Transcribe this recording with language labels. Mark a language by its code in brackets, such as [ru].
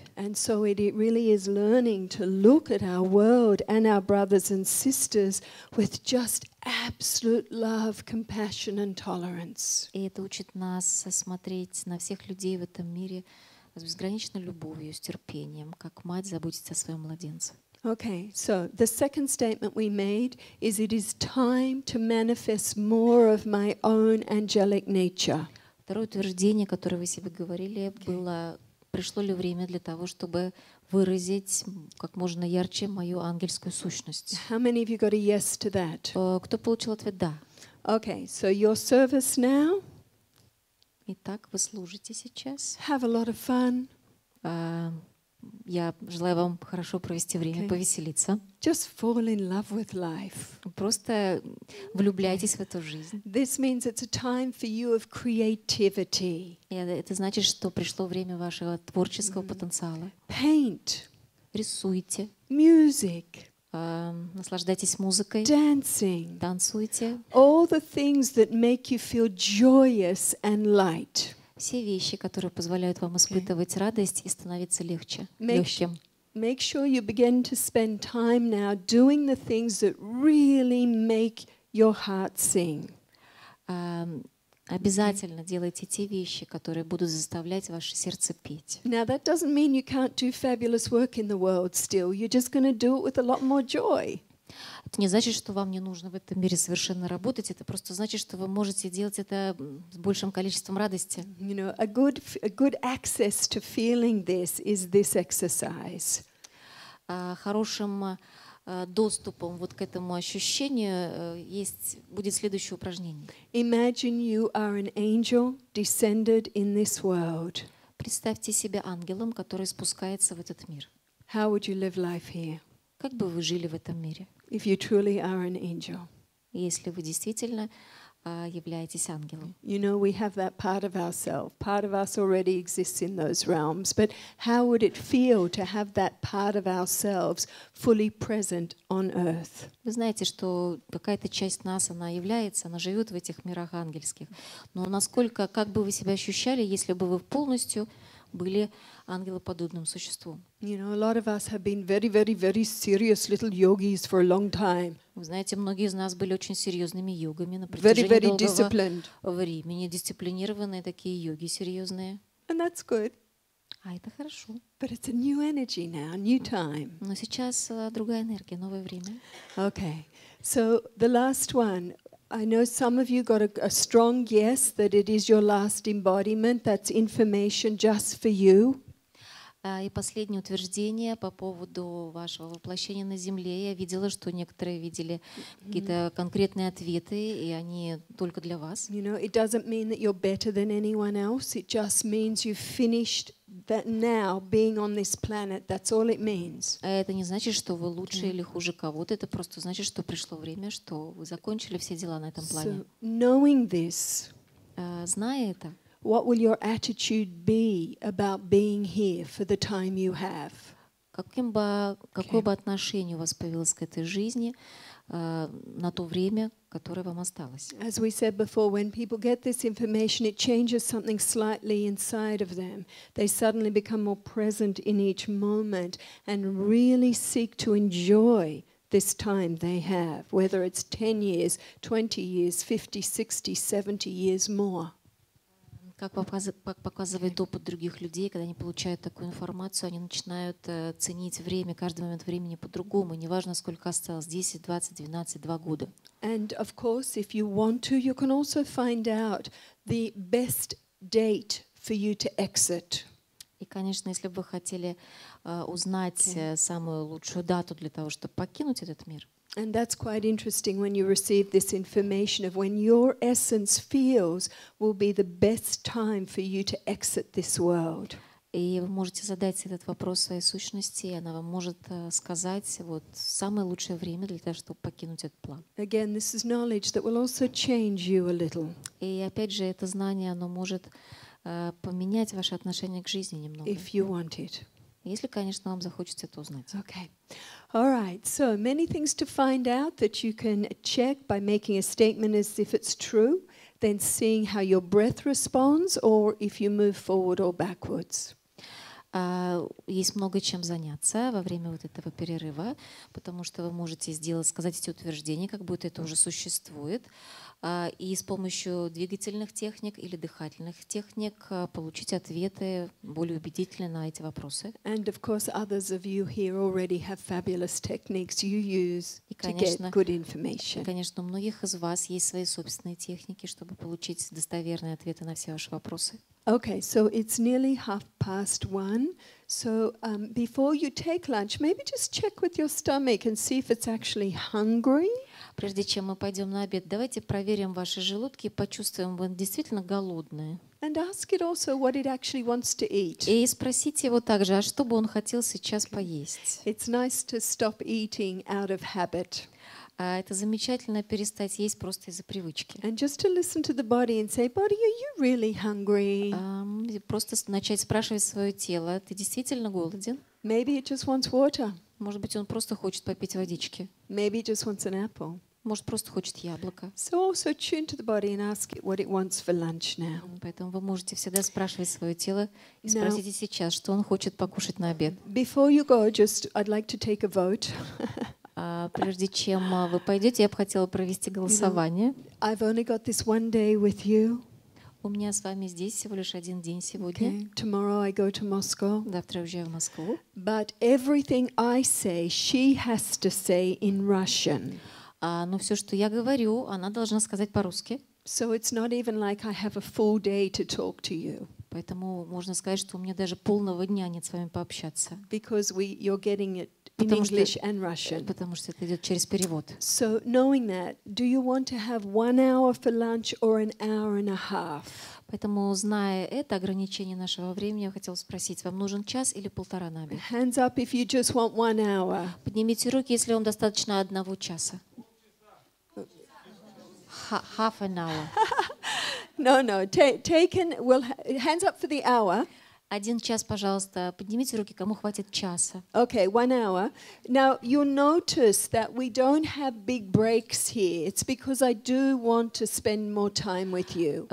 [en] And so it really is learning to look at our world and our brothers and sisters with just absolute love, compassion and tolerance. [ru] И это учит нас смотреть на всех людей в этом мире с безграничной любовью, с терпением, как мать заботится о своем младенце. [en] Okay, so the second statement we made is it is time to manifest more of my own angelic nature. [ru] Второе утверждение, которое вы себе говорили, было пришло ли время для того, чтобы выразить как можно ярче мою ангельскую сущность? [en] How many of you got a yes to that? [ru] Кто получил ответ «да»? [en] Okay, so your service now. [ru] Итак, вы служите сейчас. [en] Have a lot of fun. [ru] Я желаю вам хорошо провести время, okay. Повеселиться. [en] Just fall in love with life. [ru] Просто влюбляйтесь в эту жизнь. [en] This means it's a time for you of creativity. [ru] Это значит, что пришло время вашего творческого потенциала. [en] Paint. [ru] Рисуйте. [en] Music. [ru] Наслаждайтесь музыкой. [en] Dancing. [ru] Танцуйте. [en] All the things that make you feel joyous and light. [ru] Все вещи, которые позволяют вам испытывать радость и становиться легче, легким. [en] Make sure you begin to spend time now doing the things that really make your heart sing. [ru] Обязательно делайте те вещи, которые будут заставлять ваше сердце петь. [en] Now that doesn't mean you can't do fabulous work in the world still. You're just going to do it with a lot more joy. [ru] Это не значит, что вам не нужно в этом мире совершенно работать. Это просто значит, что вы можете делать это с большим количеством радости. [en] You know, a good access to feeling this is this exercise. [ru] Хорошим доступом вот к этому ощущению будет следующее упражнение. [en] Imagine you are an angel descended in this world. [ru] Представьте себя ангелом, который спускается в этот мир. [en] How would you live life here? [ru] Как бы вы жили в этом мире? [en] If you truly are an angel. [ru] Если вы действительно являетесь ангелом. [en] You know, we have that part of ourselves. Part of us already exists in those realms. But how would it feel to have that part of ourselves fully present on earth? [ru] Вы знаете, что какая-то часть нас, она является, она живет в этих мирах ангельских. Но насколько, как бы вы себя ощущали, если бы вы полностью были ангелоподобным существом? [en] You know, a lot of us have been very, very, very serious little yogis for a long time. [ru] Вы знаете, многие из нас были очень серьезными йогами на протяжении долгого времени, дисциплинированные такие йоги серьезные. [en] And that's good. [ru] А это хорошо. [en] But it's a new energy now, new time. [ru] Но сейчас другая энергия, новое время. [en] Okay, so the last one. I know some of you got a strong yes that it is your last embodiment. That's information just for you. [ru] И последнее утверждение по поводу вашего воплощения на Земле. Я видела, что некоторые видели какие-то конкретные ответы, и они только для вас. [en] You know, it doesn't mean that you're better than anyone else. It just means you've finished that now being on this planet. That's all it means. [ru] Это не значит, что вы лучше или хуже кого-то. Это просто значит, что пришло время, что вы закончили все дела на этом плане. [en] So, knowing this, [ru] зная это, [en] what will your attitude be about being here for the time you have? [ru] Какое бы отношение у вас появилось к этой жизни на то время, которое вам осталось? [en] As we said before, when people get this information, it changes something slightly inside of them. They suddenly become more present in each moment and really seek to enjoy this time they have, whether it's 10 years, 20 years, 50, 60, 70 years more. [ru] Как показывает опыт других людей, когда они получают такую информацию, они начинают ценить время, каждый момент времени по-другому, неважно, сколько осталось, 10, 20, 12, 2 года. [en] And of course, if you want to, you can also find out the best date for you to exit. [ru] И, конечно, если бы вы хотели узнать самую лучшую дату для того, чтобы покинуть этот мир. [en] And that's quite interesting when you receive this information of when your essence feels will be the best time for you to exit this world. [ru] И вы можете задать этот вопрос своей сущности, и она вам может сказать вот самое лучшее время для того, чтобы покинуть этот план. [en] Again, this is knowledge that will also change you a little. [ru] И опять же, это знание, оно может поменять ваше отношение к жизни немного. [en] If you want it. [ru] Если, конечно, вам захочется это узнать. [en] Okay. All right. So many things to find out that you can check by making a statement as if it's true, then seeing how your breath responds or if you move forward or backwards. [ru] Есть много чем заняться во время вот этого перерыва, потому что вы можете сказать эти утверждения, как будто это уже существует, и с помощью двигательных техник или дыхательных техник получить ответы более убедительно на эти вопросы. [en] And of course, others of you here already have fabulous techniques you use to get good information. [ru] И, конечно, у многих из вас есть свои собственные техники, чтобы получить достоверные ответы на все ваши вопросы. [en] Okay, so it's nearly half past. past one. So before you take lunch, maybe just check with your stomach and see if it's actually hungry. [ru] Прежде чем мы пойдем на обед, давайте проверим ваши желудки и почувствуем, вы действительно голодные. [en] And ask it also what it actually wants to eat. [ru] И спросите его также, а что бы он хотел сейчас поесть. [en] It's nice to stop eating out of habit. [ru] Это замечательно перестать есть просто из-за привычки. [en] And just to listen to the body and say, body, are you really hungry? [ru] Просто начать спрашивать свое тело, ты действительно голоден? [en] Maybe it just wants water. [ru] Может быть, он просто хочет попить водички. [en] Maybe it just wants an apple. [ru] Может, просто хочет яблоко. [en] So also tune to the body and ask it what it wants for lunch now. [ru] Поэтому вы можете всегда спрашивать свое тело и спросите сейчас, что он хочет покушать на обед. [en] Before you go, just I'd like to take a vote. [ru] Прежде чем вы пойдете, я бы хотела провести голосование. [en] I've only got this one day with you. [ru] У меня с вами здесь всего лишь один день сегодня. [en] Okay. Tomorrow I go to Moscow. [ru] Завтра я уезжаю в Москву. [en] But everything I say, she has to say in Russian. [ru] Но все, что я говорю, она должна сказать по-русски. [en] So it's not even like I have a full day to talk to you. [ru] Поэтому можно сказать, что у меня даже полного дня нет с вами пообщаться. [en] Because you're getting it in English and Russian. [ru] Потому что это идет через перевод. [en] So knowing that, do you want to have 1 hour for lunch or 1.5 hours? [ru] Поэтому, зная это ограничение нашего времени, я хотела спросить, вам нужен час или полтора на обед? [en] Hands up if you just want 1 hour. [ru] Поднимите руки, если вам достаточно 1 часа. [en] Half an hour. No. Taken. Well, hands up for the hour. [ru] 1 час, пожалуйста. Поднимите руки, кому хватит часа. [en] Okay, 1 hour. Now you'll notice that we don't have big breaks here. It's because I do want to spend more time with you.